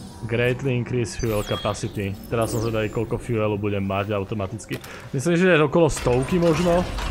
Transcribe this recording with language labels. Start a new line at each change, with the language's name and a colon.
English: Greatly increase fuel capacity.
Slovak: Teraz som zvedal, koľko fuelu budem mať automaticky. Myslím, že je okolo stovky možno.